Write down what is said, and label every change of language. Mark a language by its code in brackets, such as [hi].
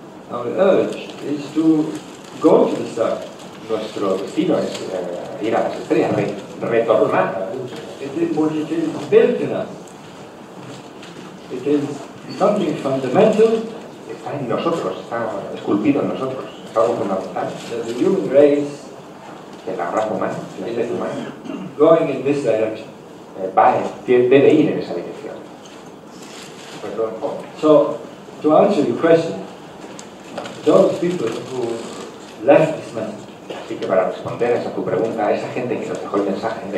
[en] Our urge is to go to the star. [es] Nuestro destino es ir a las estrellas, retornar. [en] It is what it is built in us. It is something fundamental. [es] Está en nosotros, está esculpido en nosotros. Es algo fundamental. [en] That the human race, [es] que la raza humana, la especie humana, [en] going in this direction. [es] Debe ir en esa dirección. [en] So, to answer your question, those people who left this message. [es] Así que para responder a tu pregunta, a esa gente que nos dejó el mensaje de